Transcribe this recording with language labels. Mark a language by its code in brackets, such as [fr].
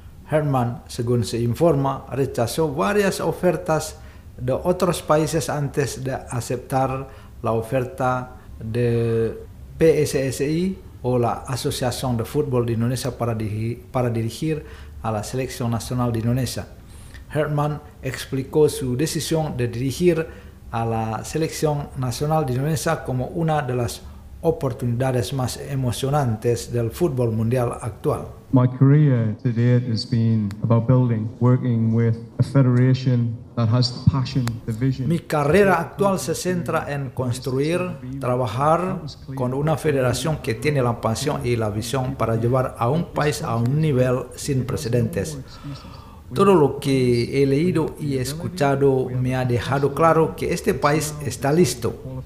[es] Herdman, según se informa, rechazó varias ofertas de otros países antes de aceptar la oferta de PSSI o la Asociación de Fútbol de Indonesia para dirigir a la Selección Nacional de Indonesia. Herdman explicó su decisión de dirigir a la Selección Nacional de Indonesia como una de las oportunidades más emocionantes del fútbol mundial actual. [en] My career to date has been about building, working with a federation that has the passion, the vision. [es] Mi carrera actual se centra en construir, trabajar con una federación que tiene la pasión y la visión para llevar a un país a un nivel sin precedentes. Todo lo que he leído y escuchado me ha dejado claro que este país está listo.